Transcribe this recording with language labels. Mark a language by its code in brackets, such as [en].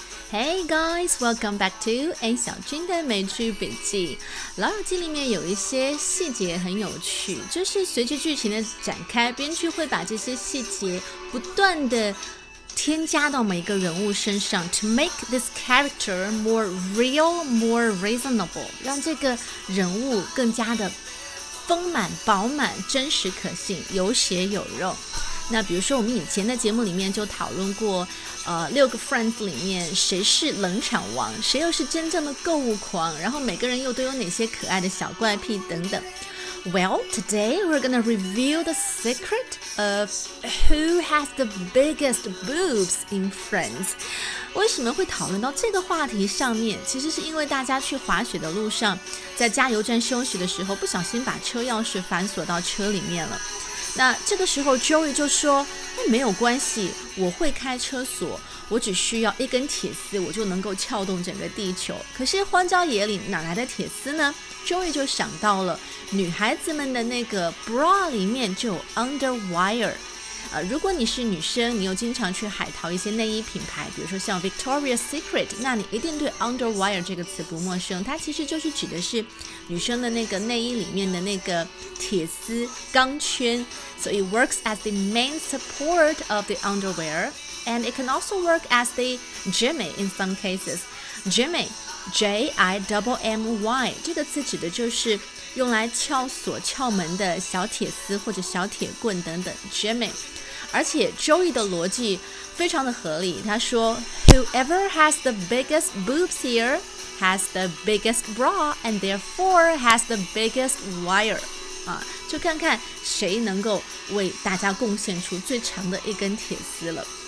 [en] Hey guys, welcome back to A 小君的美剧笔记。 [zh] 老友记里面有一些细节很有趣，就是随着剧情的展开，编剧会把这些细节不断的添加到每一个人物身上 ， to make this character more real, more reasonable，让这个人物更加的丰满、饱满、真实可信，有血有肉。那比如说我们以前的节目里面就讨论过六个 friends 里面谁是冷场王，谁又是真正的购物狂，然后每个人又都有哪些可爱的小怪癖等等。 [en] Well, today we're gonna reveal the secret of who has the biggest boobs in Friends。 [zh] 为什么会讨论到这个话题上面，其实是因为大家去滑雪的路上，在加油站休息的时候不小心把车钥匙反锁到车里面了。那这个时候 Joey 就说，哎，没有关系，我会开车锁，我只需要一根铁丝，我就能够撬动整个地球。可是荒郊野岭哪来的铁丝呢？Joey 就想到了女孩子们的那个 bra 里面就有 underwire。如果你是女生，你又经常去海淘一些内衣品牌，比如说像 Victoria's Secret， 那你一定对 underwire 这个词不陌生。它其实就是指的是女生的那个内衣里面的那个铁丝钢圈。 [en] So it works as the main support of the underwear, and it can also work as the jimmy in some cases. [zh] Jimmy, J-I-M-M-Y， 这个词指的就是用来撬锁撬门的小铁丝或者小铁棍等等， Jimmy。而且 Joey 的逻辑非常的合理，他说 Whoever has the biggest boobs here has the biggest bra and therefore has the biggest wire、就看看谁能够为大家贡献出最长的一根铁丝了。